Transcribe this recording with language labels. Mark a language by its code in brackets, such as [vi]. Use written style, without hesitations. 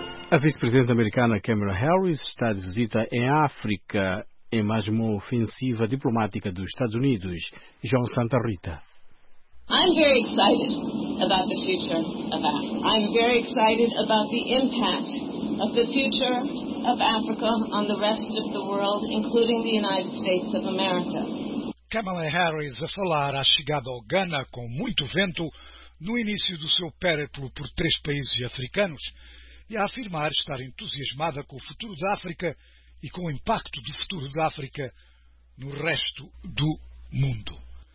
[pt] A vice-presidente americana Kamala Harris está de visita em África em mais uma ofensiva diplomática dos Estados Unidos. João Santa Rita. [en] I'm very excited about the future of Africa. I'm very excited about the impact of the future of Africa on the rest of the world, including the United States of America. [pt] Kamala Harris a falar à chegada ao Ghana com muito vento no início do seu périplo por três países africanos e a afirmar estar entusiasmada com o futuro da África e com o impacto do futuro da África no resto do mundo.